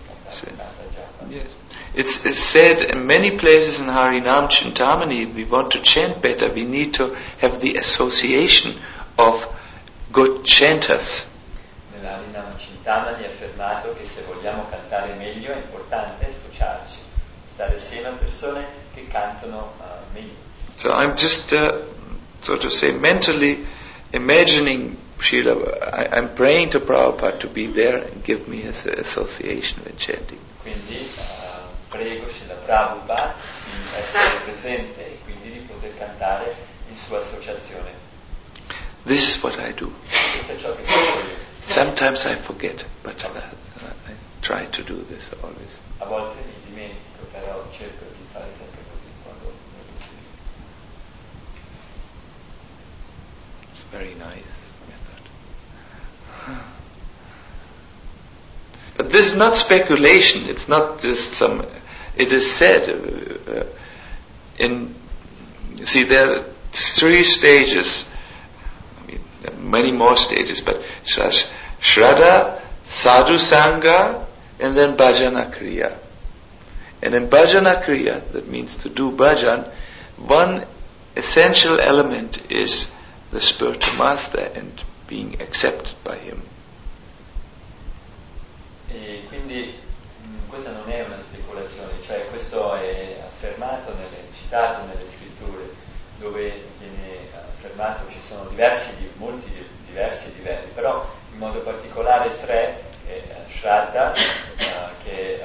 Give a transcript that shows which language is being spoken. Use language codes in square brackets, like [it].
[en] Japa. Yes. It's said in many places in Harinam Chintamani, we want to chant better, we need to have the association of good chanters. [it] Nell'Harinam Chintamani è affermato che se vogliamo cantare meglio è importante associarci, stare assieme a persone che cantano meglio. [en] So I'm just so to say mentally imagining Srila, I'm praying to Prabhupada to be there and give me his association with chanting. [it] Quindi prego Srila Prabhupada di essere presente e quindi di poter cantare in sua associazione. [en] This is what I do. [it] Questo è ciò che faccio io. [en] Sometimes I forget, but I try to do this always. [it] A volte mi dimentico, però cerco di fare sempre così quando è possibile. [en] It's very nice. But this is not speculation, it's not just some, it is said in, see there are three stages, I mean there are many more stages, but Shraddha, Sadhu Sangha, and then Bhajana Kriya. And in Bhajana Kriya, that means to do bhajan, one essential element is the spiritual master and being accepted by him. [it] E quindi questa non è una speculazione, cioè questo è affermato, citato nelle scritture, dove viene affermato ci sono diversi livelli, però in modo particolare tre, Shraddha, che